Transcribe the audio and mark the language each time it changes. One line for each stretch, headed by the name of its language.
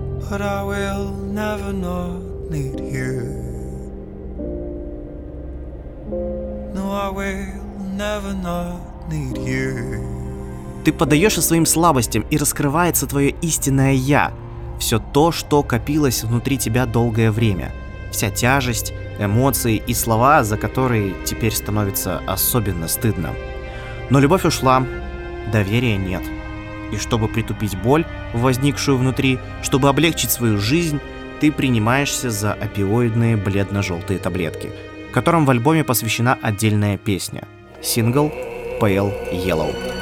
English: But I will never not need you. No, I will never not need you.
Russian: Ты поддаешься своим слабостям, и раскрывается твое истинное «я». Все то, что копилось внутри тебя долгое время. Вся тяжесть, эмоции и слова, за которые теперь становится особенно стыдно. Но любовь ушла, доверия нет. И чтобы притупить боль, возникшую внутри, чтобы облегчить свою жизнь, ты принимаешься за опиоидные бледно-желтые таблетки, которым в альбоме посвящена отдельная песня. Сингл «Pale Yellow».